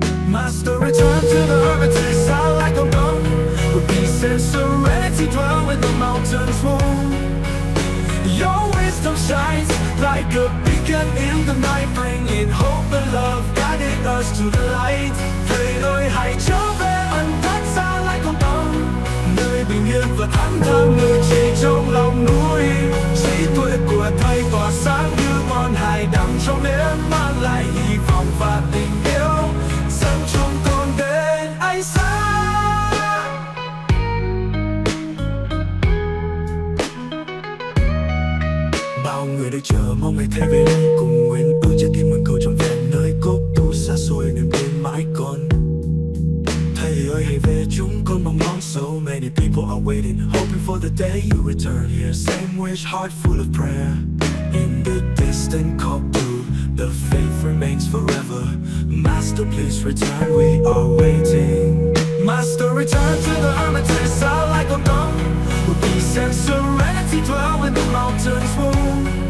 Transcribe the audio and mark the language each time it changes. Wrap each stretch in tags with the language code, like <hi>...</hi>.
<en>Master, return to the hermitage,</en> <vi>xa lại con tâm,</vi> <en>where peace and serenity dwell in the mountains womb. Your wisdom shines like a beacon in the night, bringing hope and love, guiding us to the light.</en> <vi>Thầy ơi, hãy trở về ẩn thân, xa lại con tâm, nơi bình yên và thanh thản ngự trị trong lòng núi. Trí tuệ của thầy tỏa sáng như ngọn hải đăng trong đêm, mang lại hy vọng và tình yêu, dẫn chúng con đến ánh sáng. Người đợi chờ mong ngày thay về đây, cùng nguyện ước trái tim mừng cầu trọn vẹn nơi cốt tu xa xôi, niềm tin mãi còn. Thầy ơi hãy về, chúng con mong mong.</vi> <en>So many people are waiting, hoping for the day you return here. Same wish, heart full of prayer. In the distant Kokdo, the faith remains forever. Master, please return, we are waiting. Master, return to the hermitage, sound like a gong, where peace and serenity dwell in the mountain's womb.</en>